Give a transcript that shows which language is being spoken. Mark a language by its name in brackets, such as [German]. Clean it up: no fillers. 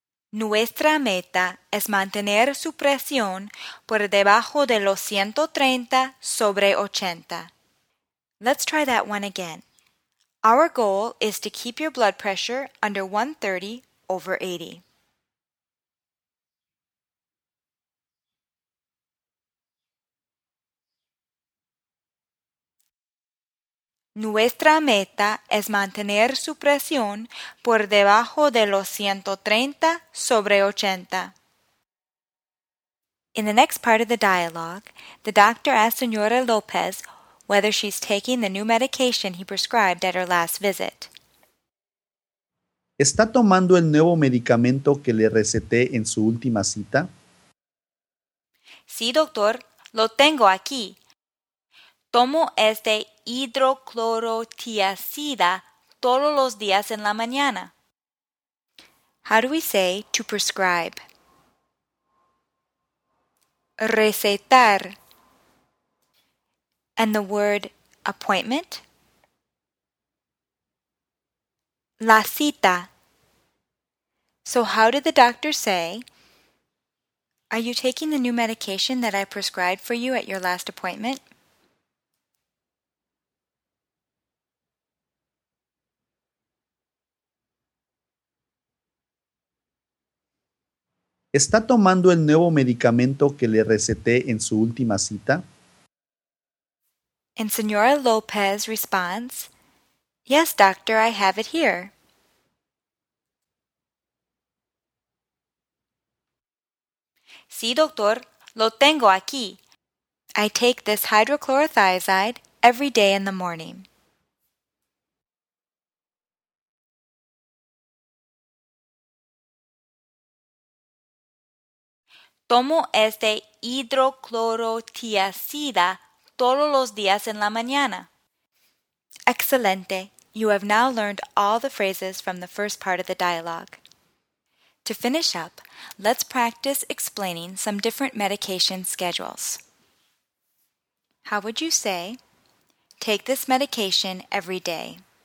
[Spanish] Nuestra meta es mantener su presión por debajo de los 130 sobre 80. [English] Let's try that one again. Our goal is to keep your blood pressure under 130 over 80. [Spanish] Nuestra meta es mantener su presión por debajo de los 130 sobre 80. [English] In the next part of the dialogue, the doctor asks Señora López whether she's taking the new medication he prescribed at her last visit. [Spanish] ¿Está tomando el nuevo medicamento que le receté en su última cita? Sí, doctor, lo tengo aquí. Tomo este hidroclorotiazida todos los días en la mañana. [English] How do we say to prescribe? Recetar. And the word appointment? [Spanish] La cita. [English] So how did the doctor say, are you taking the new medication that I prescribed for you at your last appointment? [Spanish] ¿Está tomando el nuevo medicamento que le receté en su última cita? [English] And Señora López responds, yes, doctor, I have it here. [Spanish] Sí, doctor, lo tengo aquí. [English] I take this hydrochlorothiazide every day in the morning. [Spanish] Tomo este hidroclorotiazida todos los días en la mañana. Excelente. [English] You have now learned all the phrases from the first part of the dialogue. To finish up, let's practice explaining some different medication schedules. How would you say, take this medication every day?